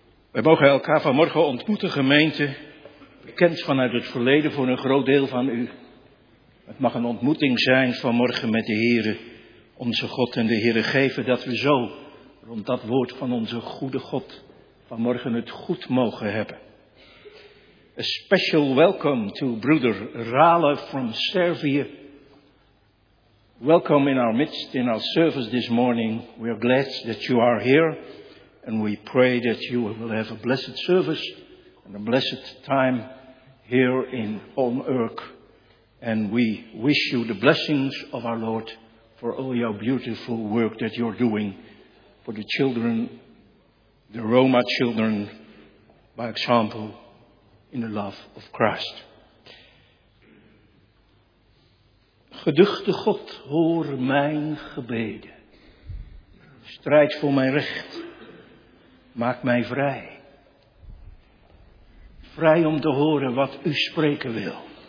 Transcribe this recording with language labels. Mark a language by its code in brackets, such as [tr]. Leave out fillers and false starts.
[nl] Wij mogen elkaar vanmorgen ontmoeten, gemeente, bekend vanuit het verleden voor een groot deel van u. Het mag een ontmoeting zijn vanmorgen met de Heere, onze God en de Heere geven, dat we zo rond dat woord van onze goede God vanmorgen het goed mogen hebben. [en] A special welcome to Brother Rale from Serbia. Welcome in our midst, in our service this morning. We are glad that you are here. And we pray that you will have a blessed service and a blessed time here in On Urk. And we wish you the blessings of our Lord for all your beautiful work that you're doing for the children, the Roma children, by example, in the love of Christ. [nl] Geduchte God, hoor mijn gebeden. Strijd voor mijn recht. Maak mij vrij. Vrij om te horen wat u spreken wil.